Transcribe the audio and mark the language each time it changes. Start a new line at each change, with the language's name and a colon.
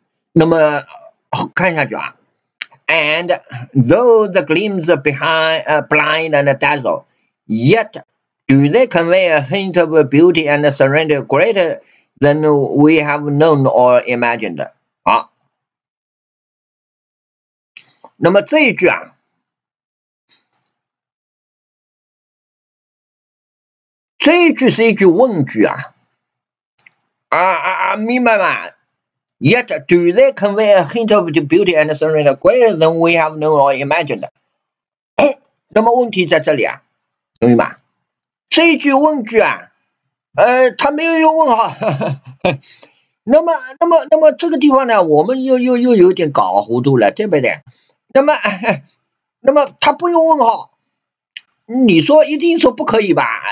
Chinese: 那么看下去啊，
English: and though the gleams behind blind and dazzle yet do they convey a hint of beauty and surrender greater than we have known or imagined。
Chinese: 好，那么这一句啊，这一句是一句问句啊啊，明白吗？
English: Yet, do they convey a hint of the beauty and surrender greater than we have known or imagined?
Chinese: 那么问题在这里啊，同学们，这一句问句啊，他没有用问号。那么这个地方呢，我们又有点搞糊涂了，对不对？那么他不用问号，你说一定说不可以吧？